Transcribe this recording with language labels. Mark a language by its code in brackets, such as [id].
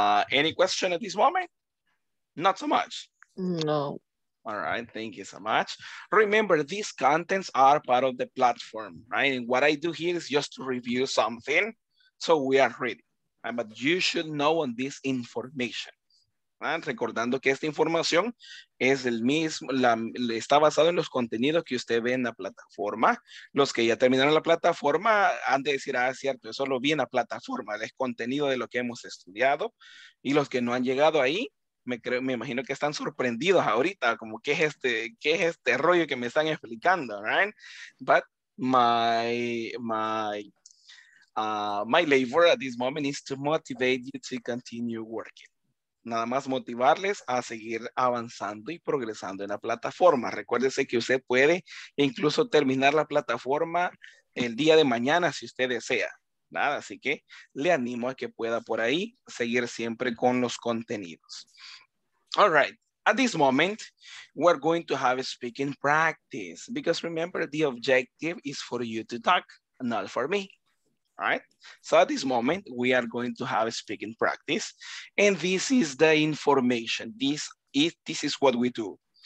[en] Any question at this moment? Not so much. No. All right, thank you so much. Remember, these contents are part of the platform, right? And what I do here is just to review something so we are ready. But you should know on this information. [es] ¿verdad? Recordando que esta información es el mismo, está basado en los contenidos que usted ve en la plataforma. Los que ya terminaron la plataforma han de decir, ah, cierto, eso lo vi en la plataforma, es contenido de lo que hemos estudiado. Y los que no han llegado ahí, me imagino que están sorprendidos ahorita, como qué es este rollo que me están explicando, [en] right? But my labor at this moment is to motivate you to continue working. [es] Nada más motivarles a seguir avanzando y progresando en la plataforma. Recuérdese que usted puede incluso terminar la plataforma el día de mañana si usted desea. Nada, así que le animo a que pueda por ahí seguir siempre con los contenidos. [en] All right. At this moment, we're going to have a speaking practice because remember the objective is for you to talk, not for me. All right. So at this moment, we are going to have a speaking practice. And this is the information. This is what we do.